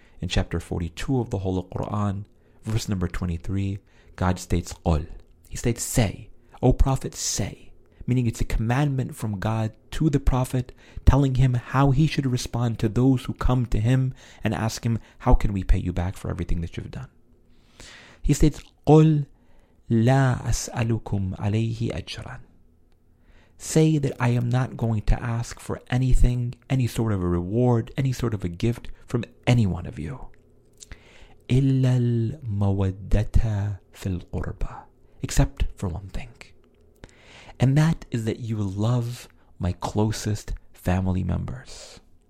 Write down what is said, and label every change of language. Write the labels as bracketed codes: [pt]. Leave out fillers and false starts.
[en] In chapter 42 of the Holy Quran, verse number 23, God states, قُلْ. He states, say, O Prophet, say. Meaning it's a commandment from God to the Prophet, telling him how he should respond to those who come to him and ask him, how can we pay you back for everything that you've done? He states, [ar] قُلْ لَا أَسْأَلُكُمْ عَلَيْهِ أَجْرًا. [en] Say that I am not going to ask for anything, any sort of a reward, any sort of a gift from any one of you. [ar] إِلَّا الْمَوَدَّةَ فِي الْقُرْبَى. [en] Except for one thing. And that is that you love my closest family members.